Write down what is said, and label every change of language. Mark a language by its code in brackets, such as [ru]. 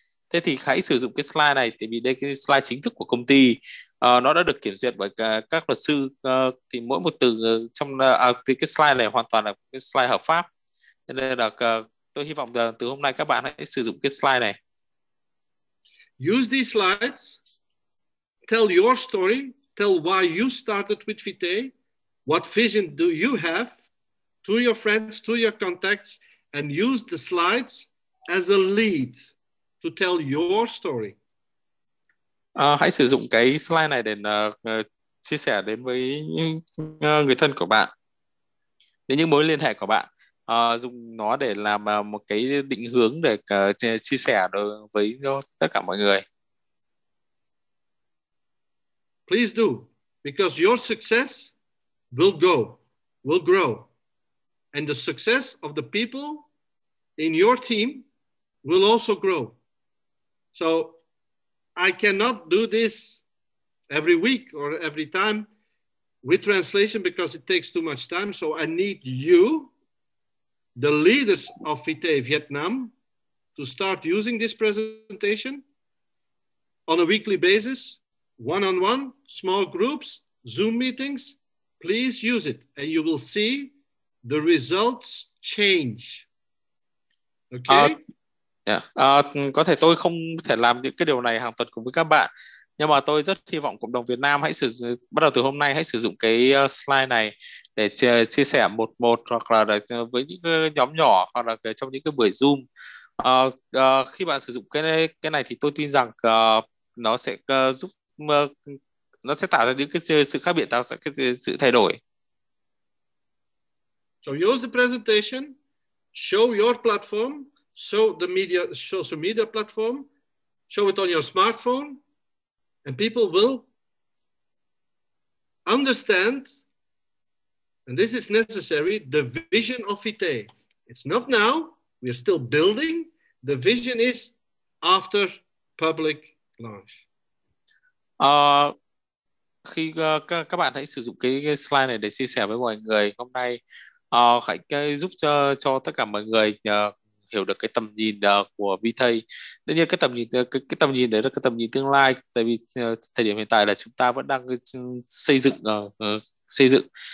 [vi] Thế thì hãy sử dụng cái slide này, tại vì đây cái slide chính thức của công ty. Nó đã được kiểm duyệt bởi các luật sư, thì mỗi một từ trong thì cái slide này hoàn toàn là cái slide hợp pháp. Cho nên là tôi hy vọng rằng từ hôm nay các bạn hãy sử dụng cái slide này. [en] Use these slides, tell your story, tell why you started with Vitae, what vision do you have, to your friends, to your contacts, and use the slides as a lead to tell your story. [vi] Hãy sử dụng cái slide này để chia sẻ đến với những người thân của bạn, đến những mối liên hệ của bạn. Dùng nó để làm một cái định hướng để chia sẻ đối với tất cả mọi người. [en] Please do, because your success will go, will grow, and the success of the people in your team will also grow. So I cannot do this every week or every time with translation because it takes too much time. So I need you, the leaders of Vitae Vietnam, to start using this presentation on a weekly basis, one-on-one, small groups, Zoom meetings. Please use it and you will see the results change. Okay? [vi] Có thể tôi không thể làm những cái điều này hàng tuần cùng với các bạn, nhưng mà tôi rất hy vọng cộng đồng Việt Nam bắt đầu từ hôm nay hãy sử dụng cái slide này để chia sẻ một một hoặc là với những nhóm nhỏ hoặc là trong những cái buổi Zoom. Khi bạn sử dụng cái này thì tôi tin rằng nó sẽ giúp nó sẽ tạo ra những cái sự khác biệt, tạo ra cái sự thay đổi. [en] So use the presentation, show your platform, show the media, social media platform, show it on your smartphone, and people will understand, and this is necessary, the vision of Vitae. It's not now, we are still building, the vision is after public launch. [vi] Khi các bạn hãy sử dụng cái slide này để chia sẻ với mọi người hôm nay, hãy giúp cho tất cả mọi người hiểu được cái tầm nhìn của Vitae. Tất nhiên cái tầm nhìn đấy là cái tầm nhìn tương lai, tại vì thời điểm hiện tại là chúng ta vẫn đang xây dựng.